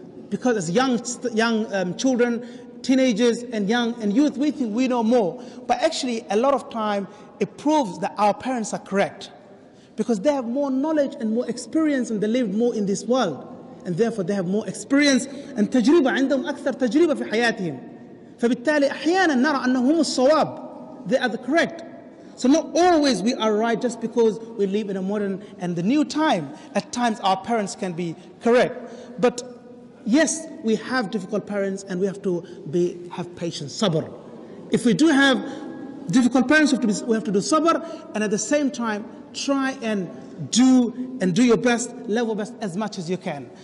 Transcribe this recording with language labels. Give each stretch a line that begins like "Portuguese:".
English: Because as young children, teenagers and young and youth, we think we know more. But actually, a lot of time, it proves that our parents are correct. Because they have more knowledge and more experience and they live more in this world. And therefore, they have more experience.
Arabic: And tajriba, عندهم أكثر تجربة في حياتهم. فبالتالي أحيانا نرى أنهم الصواب.
English: They are the correct. So not always we are right just because we live in a modern and the new time. At times, our parents can be correct. But yes, we have difficult parents and we have to have patience, sabr. If we do have difficult parents, we have to do sabr, and at the same time, try and do your best, level best as much as you can.